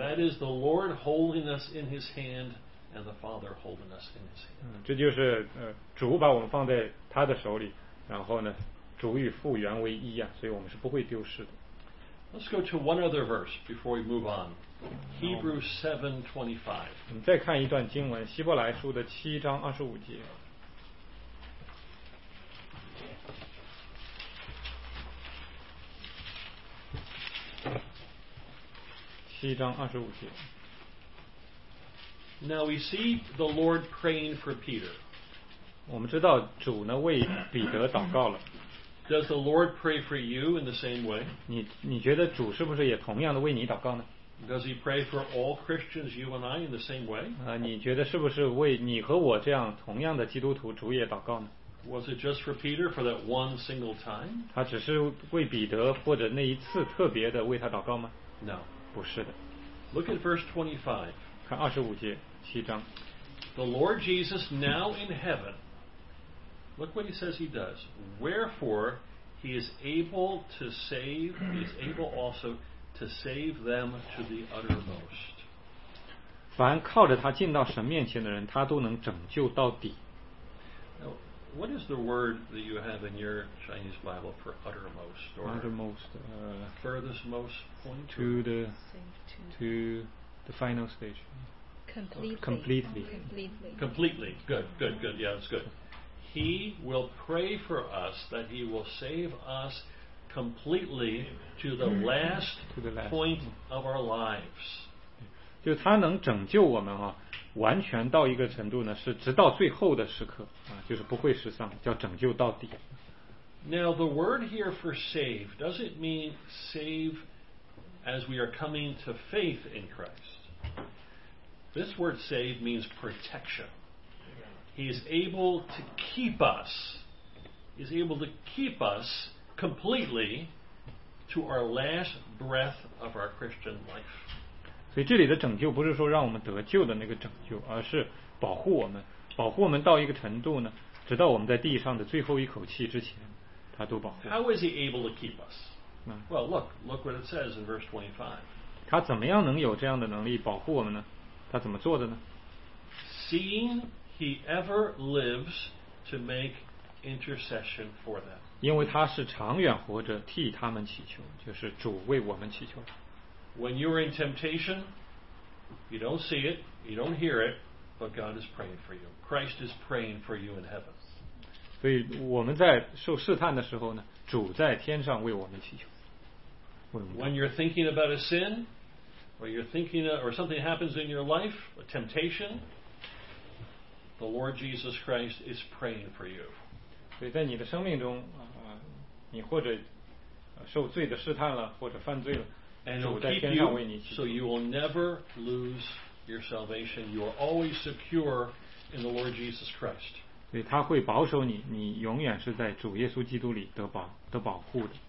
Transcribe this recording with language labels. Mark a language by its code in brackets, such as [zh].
[en] That is the Lord holding us in His hand. And the Father holding us in His hand. [zh] 这就是主把我们放在他的手里，然后呢，主与父原为一啊，所以我们是不会丢失的。 [en] Let's go to one other verse before we move on. Hebrews 7:25. [zh] 我们再看一段经文，希伯来书的七章二十五节。七章二十五节。 [en] Now we see the Lord praying for Peter. [zh] 我们知道主呢为彼得祷告了。 [en] Does the Lord pray for you in the same way? [zh] 你觉得主是不是也同样的为你祷告呢？ [en] Does he pray for all Christians, you and I, in the same way? [zh] 你觉得是不是为你和我这样同样的基督徒主也祷告呢？ [en] Was it just for Peter for that one single time? [zh] 他只是为彼得或者那一次特别的为他祷告吗？ [en] No. [zh] 不是的。 [en] Look at verse 25. [zh] 看二十五节，七章。 [en] The Lord Jesus now in heaven. Look what he says he does. Wherefore he is able to save, he is able also to save them to the uttermost. [zh] 凡靠着他进到神面前的人，他都能拯救到底。 [en] Now, what is the word that you have in your Chinese Bible for uttermost or uttermost, furthest most point to the to. The final stage. Completely. Good. Yeah, that's good. He will pray for us that he will save us completely to the last, to the last. Point of our lives. [zh] 就他能拯救我们啊，完全到一个程度呢，是直到最后的时刻啊，就是不会失丧，叫拯救到底。 [en] Now the word here for save, does it mean save as we are coming to faith in Christ? This word save means protection. He is able to keep us. He is able to keep us completely to our last breath of our Christian life. [zh] 所以这里的拯救不是说让我们得救的那个拯救，而是保护我们，保护我们到一个程度呢，直到我们在地上的最后一口气之前，他都保护。 [en] How is he able to keep us? Well, look what it says in verse 25. [zh] 他怎么样能有这样的能力保护我们呢？他怎么做的呢？ [en] Seeing he ever lives to make intercession for them. [zh] 因为他是长远活着替他们祈求，就是主为我们祈求。 [en] When you are in temptation, you don't see it, you don't hear it, but God is praying for you. Christ is praying for you in heaven. [zh] 所以我们在受试探的时候呢，主在天上为我们祈求。 [en] When you're thinking about a sin, or you're thinking, or something happens in your life, a temptation, the Lord Jesus Christ is praying for you. [zh] 所以在你的生命中，你或者受罪的试探了，或者犯罪了，主在天上为你祈求。 [en] So you will never lose your salvation. You are always secure in the Lord Jesus Christ. [zh] 所以他会保守你，你永远是在主耶稣基督里得保护的。